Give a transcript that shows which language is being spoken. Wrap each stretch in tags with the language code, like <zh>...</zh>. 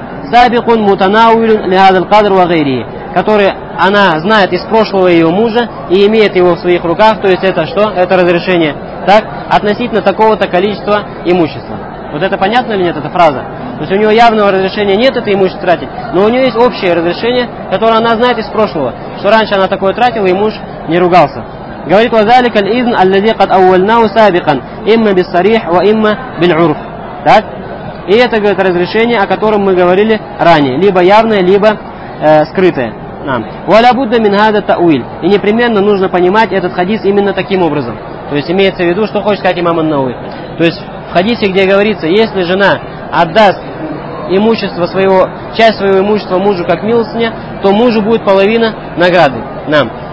<ar>«Сабикун мутанауилун лиадал кадр вагайрии»,</ar> <ru>который она знает из прошлого ее мужа и имеет его в своих руках, то есть это что? Это разрешение. Так, относительно такого-то количества имущества. Вот это понятно или нет, эта фраза? То есть у нее явного разрешения нет это имущество тратить, но у нее есть общее разрешение, которое она знает из прошлого, что раньше она такое тратила, и муж не ругался. Говорит,</ru> <ar>وَذَلِكَ الْإِذْنَ أَلَّذِي قَدْ أَوَّلْنَاهُ سَابِقًا إِمَّا بِالصَّرِيحِ وَإِمَّا بِالْعُرْفِ.</ar> <ru>Так? И это, говорит, разрешение, о котором мы говорили ранее, либо явное, либо скрытое.</ru> <ar>وَلَبُدَّ مِنْ هَذَا التَّأْوِيلِ.</ar> <ru>И непременно нужно понимать этот хадис именно таким образом. То есть имеется в виду, что хочет сказать имам ан-Науи. То есть в хадисе, где говорится, если жена отдаст имущество своего, часть своего имущества мужу как милостыня, то мужу будет половина награды. Нам.</ru>